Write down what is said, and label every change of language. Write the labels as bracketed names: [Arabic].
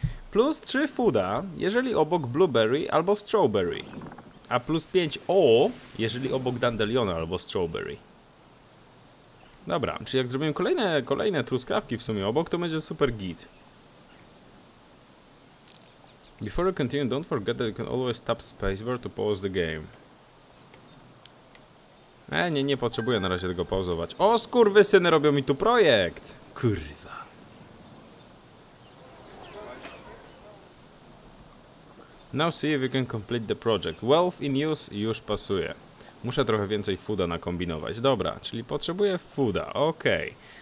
[Polish] Plus 3 fooda, jeżeli obok blueberry albo strawberry. A plus 5 o, jeżeli obok dandeliona albo strawberry. Dobra, czyli jak zrobimy kolejne truskawki w sumie obok, to będzie super git. [English] Before you continue, don't forget that you can always tap spacebar to pause the game. [Polish] Nie potrzebuję na razie tego pauzować. O, skurwysyny, robią mi tu projekt! Kurwa. [English] Now see if you can complete the project. Wealth in use [Polish] już pasuje. Muszę trochę więcej fooda nakombinować. Dobra, czyli potrzebuję fooda. Okej. Okay.